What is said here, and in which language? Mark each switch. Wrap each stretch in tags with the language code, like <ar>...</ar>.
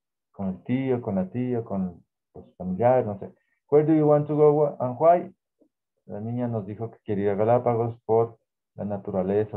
<es>Con el tío, con la tía, con los familiares, no sé.</es> <en>Where do you want to go and why?</en> <es>La niña nos dijo que quería ir a Galápagos por la naturaleza.</es>